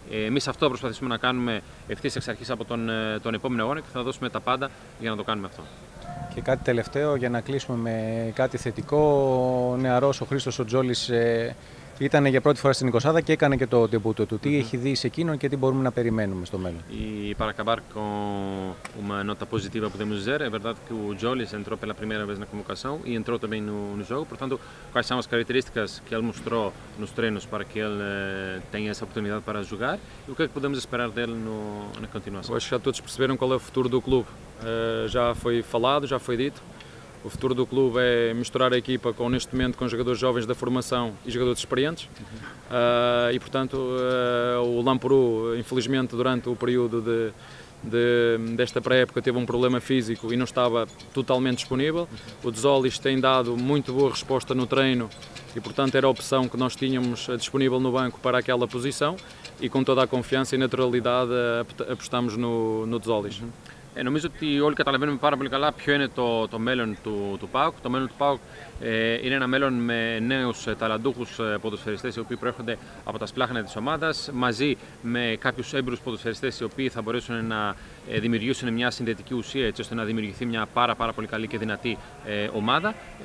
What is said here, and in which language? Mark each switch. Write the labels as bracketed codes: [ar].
[el] Εμείς αυτό θα προσπαθήσουμε να κάνουμε ευθύς εξ αρχής από τον επόμενο αγώνα και θα δώσουμε τα πάντα για να το κάνουμε αυτό. Και κάτι τελευταίο για να κλείσουμε με κάτι θετικό. Ο νεαρός ο Χρήστος ο Τζόλης ήταν για πρώτη φορά στην Εικοσάδα και έκανε και το ντεμπούτο του. Τι έχει δει σε εκείνον και τι μπορούμε να περιμένουμε στο μέλλον? [pt] Para acabar com uma nota positiva, podemos dizer, é verdade que o Jolis entrou pela primeira vez na convocação e entrou também no jogo. Portanto, quais são as características que ele mostrou nos treinos para que ele tenha essa oportunidade para jogar e o que é que podemos esperar dele na continuação? Eu acho que já todos perceberam qual é o futuro do clube. Já foi falado, já foi dito. O futuro do clube é misturar a equipa com, neste momento, com jogadores jovens da formação e jogadores experientes. E, portanto, o Lampourou, infelizmente, durante o período desta pré-época, teve um problema físico e não estava totalmente disponível. O Dzolis tem dado muito boa resposta no treino e, portanto, era a opção que nós tínhamos disponível no banco para aquela posição. E, com toda a confiança e naturalidade, apostamos no Dzolis. [el] Νομίζω ότι όλοι καταλαβαίνουμε πάρα πολύ καλά ποιο είναι το μέλλον του ΠΑΟΚ. Το μέλλον του ΠΑΟΚ είναι ένα μέλλον με νέους ταλαντούχους ποδοσφαιριστές οι οποίοι προέρχονται από τα σπλάχνα της ομάδας, μαζί με κάποιους έμπειρους ποδοσφαιριστές οι οποίοι θα μπορέσουν να δημιουργήσουν μια συνδετική ουσία έτσι ώστε να δημιουργηθεί μια πάρα, πάρα πολύ καλή και δυνατή ομάδα.